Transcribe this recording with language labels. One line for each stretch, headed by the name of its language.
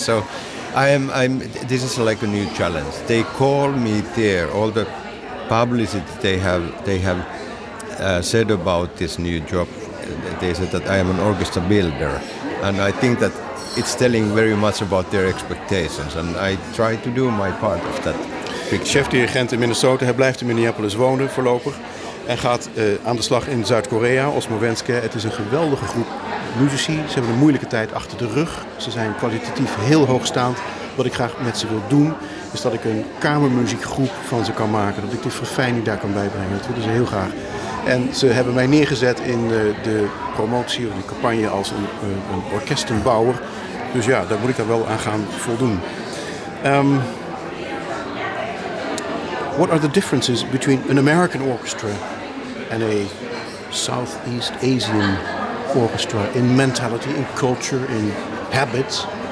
English: So this is like a new challenge. They call me there. All the publicity they have said about this new job, they said that I am an orchestra builder, and I think that it's telling very much about their expectations, and I try to do my part of that.
Dutch: Chef-dirigent in Minnesota, hij blijft in Minneapolis wonen voorlopig en gaat aan de slag in Zuid-Korea, Osmo Wenske. Het is een geweldige groep muzici. Ze hebben een moeilijke tijd achter de rug. Ze zijn kwalitatief heel hoogstaand. Wat ik graag met ze wil doen, is dat ik een kamermuziekgroep van ze kan maken. Dat ik die verfijning daar kan bijbrengen. Dat willen ze heel graag. En ze hebben mij neergezet in de promotie of de campagne als een orkestenbouwer. Dus ja, daar moet ik dan wel aan gaan voldoen.
English: What are the differences between an American orchestra and a Southeast Asian orchestra in mentality, in culture, in habits?